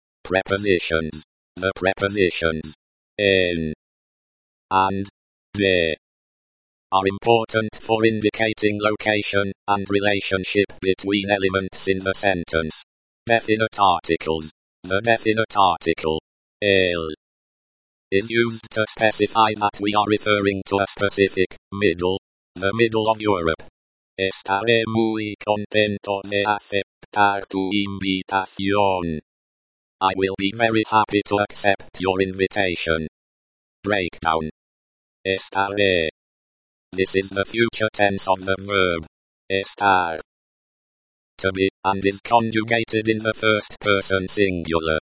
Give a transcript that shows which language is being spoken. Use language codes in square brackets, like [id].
[en] Prepositions. The prepositions, en, and, de, are important for indicating location and relationship between elements in the sentence. Definite articles. The definite article, el, is used to specify that we are referring to a specific, middle, the middle of Europe. [es] Estaré muy contento de aceptar tu invitación. [en] I will be very happy to accept your invitation. Breakdown. Estaré. This is the future tense of the verb estar, to be, and is conjugated in the first person singular.